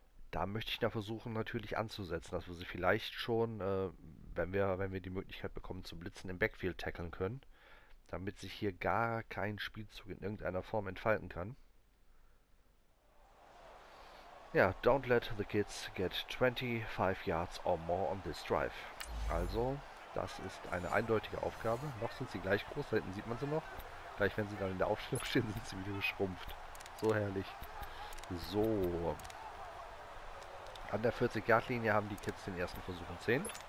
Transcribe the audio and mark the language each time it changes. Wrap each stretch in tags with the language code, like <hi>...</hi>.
<de>Da möchte ich da versuchen natürlich anzusetzen, dass wir sie vielleicht schon, wenn wir die Möglichkeit bekommen zu blitzen, im Backfield tackeln können, damit sich hier gar kein Spielzug in irgendeiner Form entfalten kann.</de> <en>Ja, don't let the kids get 25 yards or more on this drive.</en> <de>Also, das ist eine eindeutige Aufgabe. Noch sind sie gleich groß, da hinten sieht man sie noch. Gleich, wenn sie dann in der Aufstellung stehen, sind sie wieder geschrumpft. So herrlich. So. An der 40-Yard-Linie haben die Kids den ersten Versuch und 10.</de>